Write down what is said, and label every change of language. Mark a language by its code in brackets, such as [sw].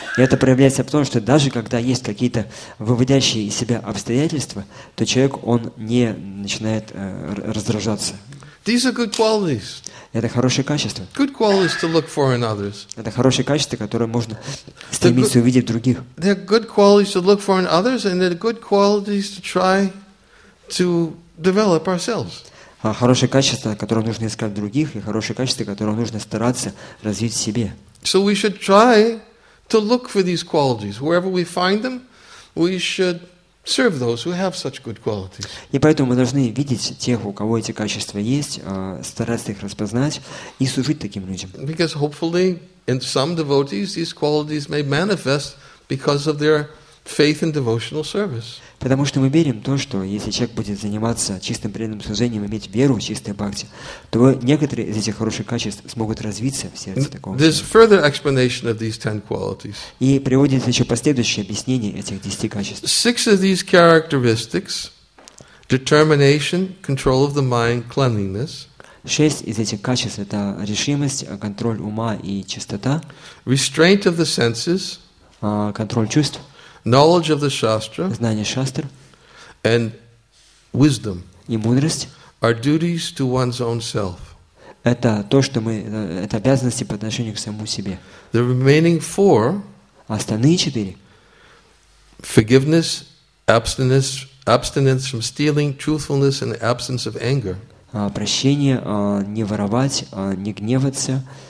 [ru] Это проявляется в том, что даже когда есть какие-то выводящие из себя обстоятельства, то человек он не начинает раздражаться. [en] These are good qualities. [ru] Это хорошее качество. [en] Good qualities to look for in others. [ru] Это хорошее качество, которое можно стремиться увидеть в других. [en] They're good qualities to look for in others, and they're good qualities to try to develop ourselves. [ru] Хорошее качество, которое нужно искать в других, и хорошее качество, которое нужно стараться развить в себе. [en] So we should try to look for these qualities. Wherever we find them, we should serve those who have such good qualities. [ru] И поэтому мы должны видеть тех, у кого эти качества есть, стараться их распознать и служить таким людям. [en] Because hopefully in some devotees these qualities may manifest because of their faith in devotional service. [ru] Потому что мы верим то, что если человек будет заниматься чистым преданным служением, иметь веру в чистой бхакти, то некоторые из этих хороших качеств смогут развиться в сердце такого. [en] There's further explanation of these 10 qualities. [ru] И приводится еще последующее объяснение этих 10 качеств. [en] Six of these characteristics, determination, control of the mind, cleanliness. [ru] Шесть из этих качеств – это решимость, контроль ума и чистота. [en] Restraint of the senses. [ru] Контроль чувств. [en] Knowledge of the shastra. [ru] Знание шастр. [en] And wisdom. [ru] И мудрость. [en] Are duties to one's own self. [ru] Это то, что мы, это обязанности по отношению к самому себе. [en] The remaining four. [ru] Остальные четыре. [en] Forgiveness, abstinence from stealing, truthfulness, and absence of anger. [ru] Прощение, не воровать, не гневаться